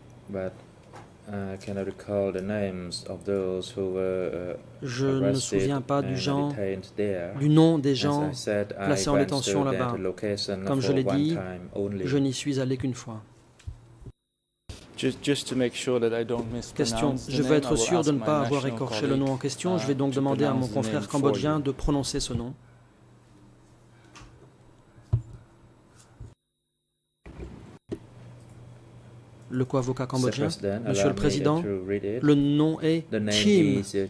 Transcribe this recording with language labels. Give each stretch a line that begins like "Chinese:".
English: But I cannot recall the names of those who were
French: je ne me souviens pas du nom des gens placés en détention là-bas. Comme je l'ai dit, je n'y suis allé qu'une fois.
English: Just to make sure that I don't mispronounce question.
French: Je veux être sûr de ne pas avoir écorché le nom en question. Je vais donc demander à mon confrère cambodgien de prononcer ce nom. Le co-avocat cambodgien, Monsieur le Président, le nom est Chim.